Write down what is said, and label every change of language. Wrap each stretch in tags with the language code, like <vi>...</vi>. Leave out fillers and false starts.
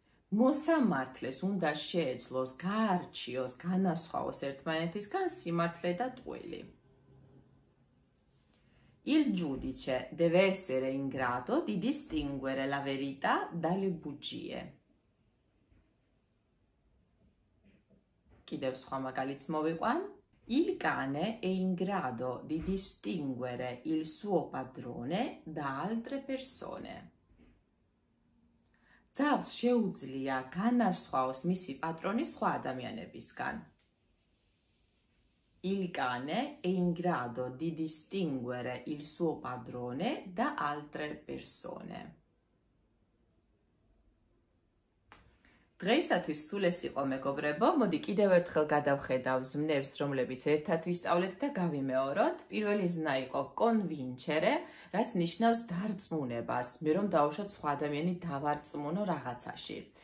<ka>მოსამართლეს უნდა შეეძლოს გაარჩიოს განასხვავოს ერთმანეთისგან სიმართლე და ტყუილი.</ka> <it>Il giudice deve essere in grado di distinguere la verità dalle bugie.</it> <ka>Kidev sva magalits moviqvan.</ka> <it>Il cane è in grado di distinguere il suo padrone da altre persone.</it> <ka>Ძალს შეუძლია განასხვაოს მისი პატრონი სხვა ადამიანებისგან.</ka> <it>Il cane è in grado di distinguere il suo padrone da altre persone.</it> <ka>დღეისათვის სულ ეს იყო მეგობრებო, მოდი კიდევ ერთხელ გადავხედავ ზმნებს, რომლებიც ერთად ვისწავლეთ და გავიმეოროთ. პირველი ზმნა იყო კონვინჩერე, რაც ნიშნავს დარწმუნებას, მე რომ დავუშვათ სხვა ადამიანი დავარწმუნო რაღაცაში.</ka>